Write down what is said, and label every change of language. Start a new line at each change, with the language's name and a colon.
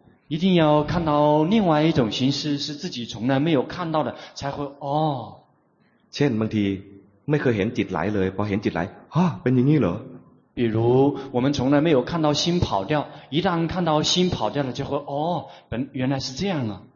Chinese: 一定要看到另外一种形式是自己从来没有看到的才会哦。
Thai: เช่นบางทีไม่เคยเห็นจิตไหลเลยพอเห็นจิตไหลฮะเป็นอย่างนี้เหรอ
Chinese: 比如我们从来没有看到心跑掉一旦看到心跑掉了就会哦本原来是这样啊